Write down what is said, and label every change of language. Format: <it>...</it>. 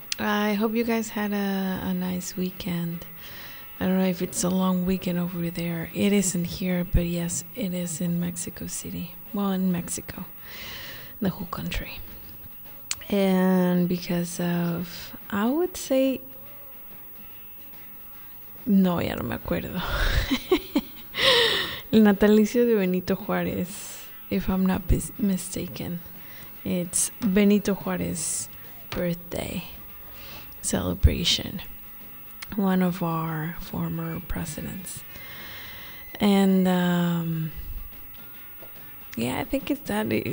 <en>I hope you guys had a nice weekend. I don't know if it's a long weekend over there. It isn't here, but yes, it is in Mexico City. Well, in Mexico, the whole country. And because of, I would say,</en> <es>no, ya no me acuerdo. El natalicio de Benito Juárez.</es> <en>If I'm not mistaken, it's Benito Juárez birthday celebration, one of our former presidents. And yeah, I think it's that.</en>